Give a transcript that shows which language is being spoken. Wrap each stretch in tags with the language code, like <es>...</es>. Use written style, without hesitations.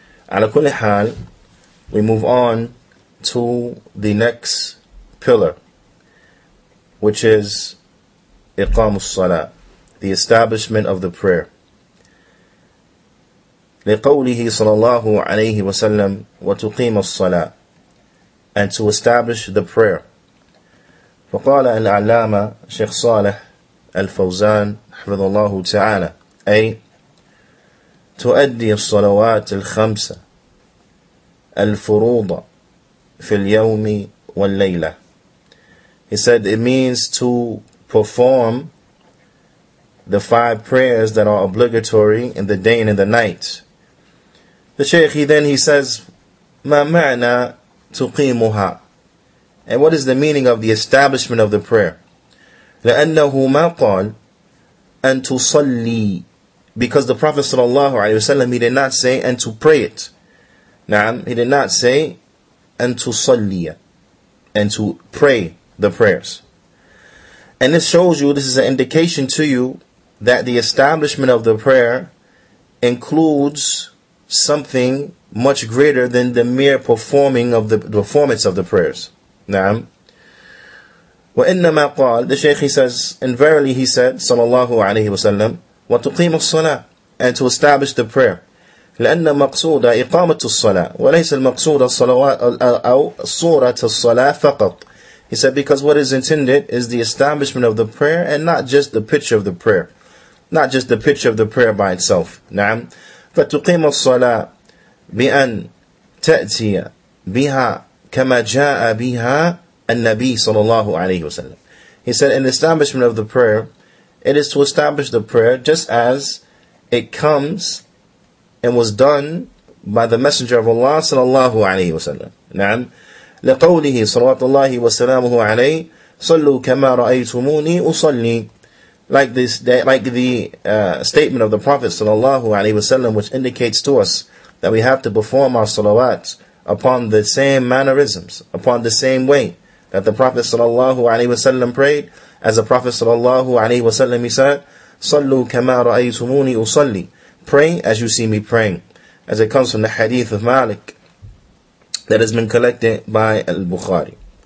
<ar>Ala kulli hal,</ar> <en>we move on to the next pillar, which is iqamu salah, the establishment of the prayer.</en> <ar>لقوله صلى الله عليه وسلم وتقيم الصلاة,</ar> <en>and to establish the prayer.</en> <ar>فقال العلامة شيخ صالح الفوزان حفظ الله تعالى أي تؤدي الصلوات الخمسة الفروض في اليوم والليلة.</ar> <en>He said it means to perform the five prayers that are obligatory in the day and in the night. The Shaykh, he says,</en> <ar>مَا مَعْنَى تُقِيمُهَا,</ar> <en>and what is the meaning of the establishment of the prayer?</en> <ar>لَأَنَّهُ مَا قَالْ أَن تُصَلِّي,</ar> <en>because the Prophet sallallahu alayhi wasallam, he did not say, and to pray it. نعم, he did not say,</en> <ar>أَن تُصَلِّيَ,</ar> <en>and to pray the prayers. And this shows you, this is an indication to you, that the establishment of the prayer includes something much greater than the mere performing of the performance of the prayers. Naam.</en> <ar>Wa inna ma qal,</ar> <en>the Shaykh, he says, and verily he said, sallallahu alayhi wa sallam,</en> <ar>wa tuqimu as-salah,</ar> <en>and to establish the prayer.</en> <ar>لأن مقصود إقامة الصلاة وليس المقصود الصلوات أو صورة الصلاة فقط.</ar> <en>He said, because what is intended is the establishment of the prayer and not just the picture of the prayer. Not just the picture of the prayer by itself.</en> <ar>Naam. فَتُقِيمُ الصَّلَاةَ بِأَن تَأْتِيَ بِهَا كَمَا جَاءَ بِهَا النَّبِيِّ صَلَى اللَّهُ عَلَيْهِ وَسَلَّمَ.</ar> <en>He said, in the establishment of the prayer, it is to establish the prayer just as it comes and was done by the Messenger of Allah</en> <ar>صلى الله عليه وسلم. نعم. لقوله صلى الله وسلامه عليه صلوا كما رأيتموني أصلي.</ar> <en>Like the statement of the Prophet sallallahu alaihi wasallam, which indicates to us that we have to perform our salawat upon the same mannerisms, upon the same way that the Prophet sallallahu alaihi wasallam prayed, as the Prophet sallallahu alaihi wasallam he said,</en> <ar>"Sallu kama ra'aytumuni usalli,"</ar> <en>pray as you see me praying, as it comes from the hadith of Malik that has been collected by al-Bukhari.</en>